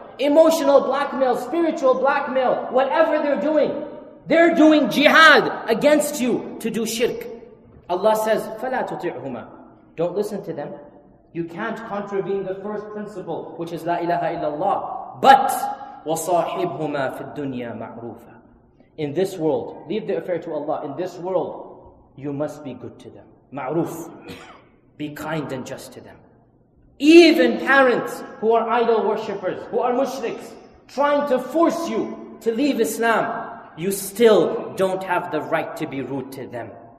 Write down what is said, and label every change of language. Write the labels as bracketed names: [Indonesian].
[English] Emotional blackmail, spiritual blackmail, whatever they're doing jihad against you to do shirk. Allah says, [Arabic] فَلَا تُطِعْهُمَا. [English] Don't listen to them. You can't contravene the first principle, which is [Arabic] لا إله إلا الله. But وَصَاحِبْهُمَا فِي الدُّنْيَا مَعْرُوفًا. [English] In this world, leave the affair to Allah. In this world, you must be good to them. Ma'roof. Be kind and just to them. Even parents who are idol worshippers, who are mushriks, trying to force you to leave Islam, you still don't have the right to be rude to them.